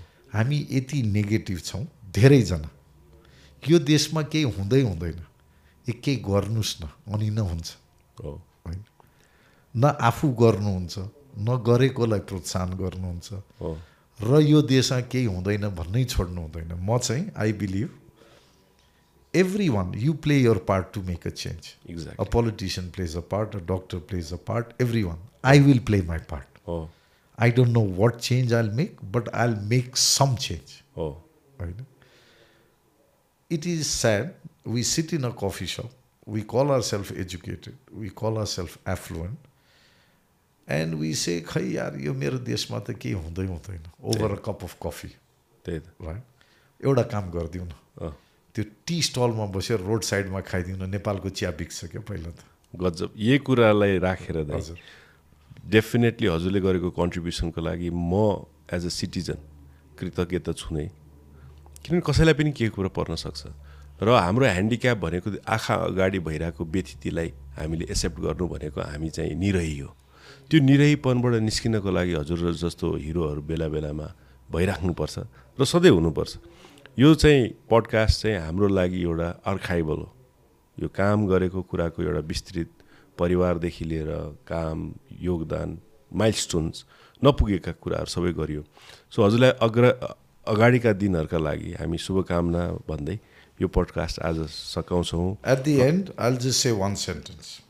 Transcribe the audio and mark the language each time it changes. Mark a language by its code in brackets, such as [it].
[ne] हामी यति नेगेटिभ छौँ धेरैजना. यो देशमा केही हुँदै हुँदैन, एक केही गर्नुहोस् न अनि न हुन्छ होइन. न आफू गर्नुहुन्छ, न गरेकोलाई प्रोत्साहन गर्नुहुन्छ, र यो देशमा केही हुँदैन भन्नै छोड्नु हुँदैन. म चाहिँ [en] I believe Everyone, you play your part to make a change. Exactly. A politician plays a part, a doctor plays a part, everyone. I will play my part. Oh. I don't know what change I'll make, but I'll make some change. Oh. Right? It is sad, we sit in a coffee shop, we call ourselves educated, we call ourselves affluent, and we say, [ne] khai yaar, yo mero desh ma ta ke hundai hundai na, [en] over a cup of coffee. Dead. Right? [ne] Euta kaam gardiu na. त्यो T स्टलमा बसेर road साइडमा खाइदिउँ, नेपालको चिया बिक्छ क्या. पहिला त गजब. यही कुरालाई राखेर हजुर, डेफिनेटली हजुरले गरेको कन्ट्रिब्युसनको लागि म [en] as a citizen [ne] कृतज्ञ त छु नै, किनभने कसैलाई पनि केही कुरा पर्न सक्छ. र हाम्रो ह्यान्डिक्याप भनेको आँखा अगाडि भइरहेको व्यतिथिलाई हामीले एक्सेप्ट गर्नु भनेको हामी चाहिँ निरही हो. त्यो निरहीपनबाट निस्किनको लागि हजुर जस्तो हिरोहरू बेला बेलामा भइराख्नुपर्छ र सधैँ हुनुपर्छ. यो चाहिँ पडकास्ट चाहिँ हाम्रो लागि एउटा आर्काइभल हो. यो काम गरेको कुराको एउटा विस्तृत परिवारदेखि लिएर काम, योगदान, माइलस्टोन्स, नपुगेका कुराहरू सबै गरियो. सो हजुरलाई अगाडिका दिनहरूका लागि हामी शुभकामना भन्दै यो पडकास्ट आज सकाउँछौँ. [en] at the end I just say one sentence